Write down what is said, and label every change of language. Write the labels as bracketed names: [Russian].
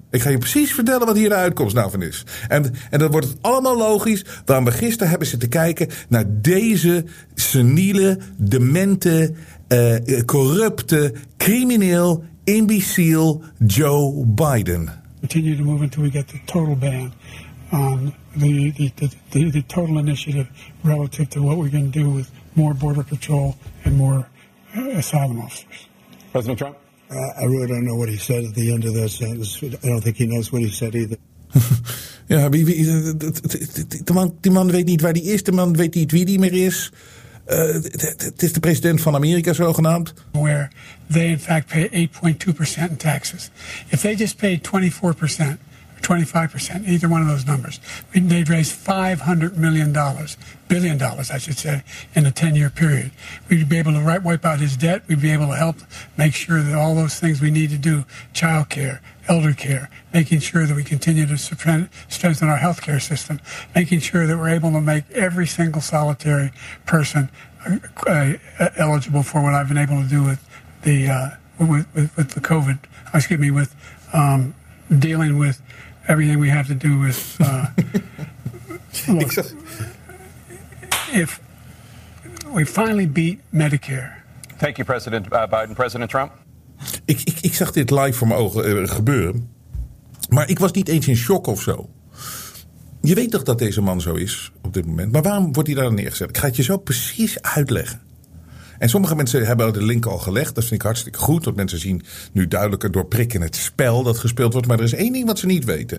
[Dutch] Ik ga je precies vertellen wat hier de uitkomst nou van is. En dan wordt het allemaal logisch waarom we gisteren hebben zitten kijken naar deze seniele, demente, corrupte, crimineel, imbecile Joe Biden. [English] Continue to move until we get the total ban on the total initiative relative to what we're going to do with more border patrol and more asylum officers. President Trump? I really don't know what he said at the end of that sentence. I don't think he knows what he said either. [Dutch] Ja, die man weet niet waar die is. De man weet niet wie die meer is. Het is de president van Amerika zogenaamd. [English] Where they in fact pay 8.2% in taxes. If they just paid 24%, 25%, either one of those numbers, they'd raise $500 billion, I should say, in a 10-year period. We'd be able to wipe out his debt. We'd be able to help make sure that all those things we need to do, child care, elder care, making sure that we continue to strengthen our health care system, making sure that we're able to make every single solitary person eligible for what I've been able to do with dealing with everything we have to do with look, if we finally beat Medicare. Thank you, President Biden. President Trump. [Dutch] Ik zag dit live voor mijn ogen gebeuren. Maar ik was niet eens in shock of zo. Je weet toch dat deze man zo is op dit moment. Maar waarom wordt hij daar neergezet? Ik ga het je zo precies uitleggen. En sommige mensen hebben de link al gelegd. Dat vind ik hartstikke goed. Want mensen zien nu duidelijker door prikken het spel dat gespeeld wordt. Maar er is één ding wat ze niet weten.